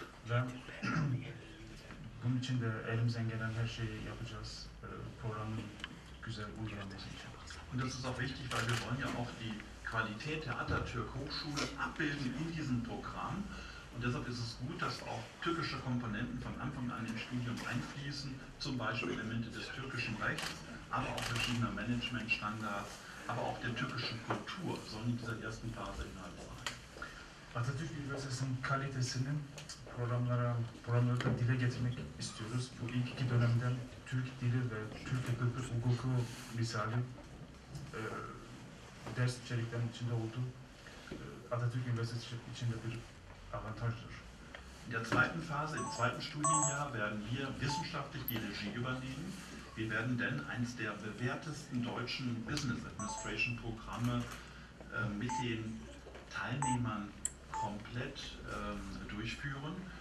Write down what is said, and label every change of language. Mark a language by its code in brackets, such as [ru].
[tr] Ve bunun için de elimizden gelen her şeyi yapacağız programın güzel uygulanması için. [de] Und das ist auch wichtig, weil wir wollen ja auch die Qualität der Atatürk Hochschule abbilden in diesem Programm. Und deshalb ist es gut, dass auch türkische Komponenten von Anfang an ins Studium einfließen, zum Beispiel Elemente des türkischen Rechts, aber auch verschiedener Managementstandards, aber auch der türkischen Kultur sollen in dieser ersten Phase Inhalt sein. [tr] Atatürk Üniversitesi'nin kalitesini programlara da dile getirmek istiyoruz. Bu ilk iki dönemden Türk dili ve Türk hukuku, misali ders içeriklerinin içinde olduğu Atatürk Üniversitesi içinde bir avantajdır. [de] In der zweiten Phase, im zweiten Studienjahr, werden wir wissenschaftlich die Regie übernehmen. Wir werden denn eines der bewährtesten deutschen Business Administration Programme mit den Teilnehmern komplett durchführen.